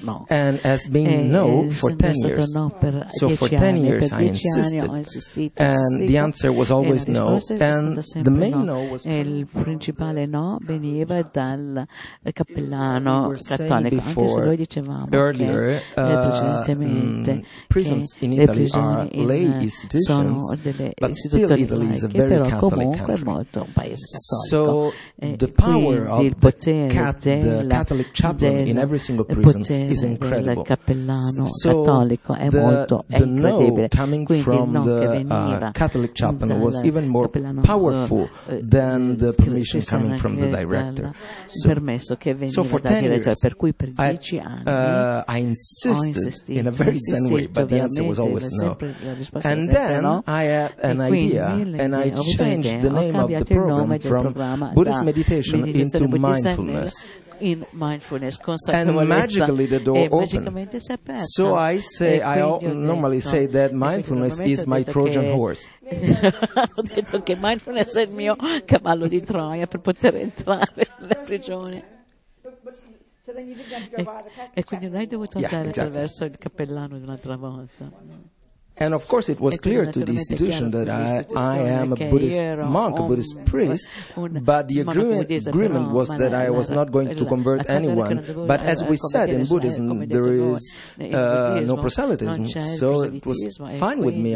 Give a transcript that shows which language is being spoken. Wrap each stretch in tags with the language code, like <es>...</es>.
<en>And has been no for 10 years. So for 10 years I insisted. And the answer was always no.</en> <it>forse è stata sempre no, e il principale no veniva dal cappellano cattolico, anche se noi dicevamo</it> <en>earlier,</en> <it>che precedentemente che le prigioni in Italia sono delle istituzioni laiche, però comunque è molto un paese cattolico,</it> <en>so,</en> <it>e quindi il potere del cappellano cattolico è molto incredibile. Quindi il no che veniva</it> <en>Catholic chaplain was even more powerful than the permission coming from the director.</en> <it>Permesso che veniva dal direttore, per cui per 10 anni</it> <en>I insisted in a very sane way, but the answer was always no. And then I had an idea and I changed the name of the program from Buddhist meditation into mindfulness. In mindfulness, consapevolezza, and magically the door opened. So I say, I normally say that mindfulness is my Trojan horse.</en> <it>Ho detto che mindfulness è il mio cavallo di Troia per poter entrare nella prigione. E quindi non hai dovuto andare attraverso il cappellano un'altra volta.</it> <en>And of course it was clear to the institution that I am a Buddhist monk, a Buddhist priest, but the agreement was that I was not going to convert anyone. But as we said, in Buddhism there is no proselytism, so it was fine with me.</en>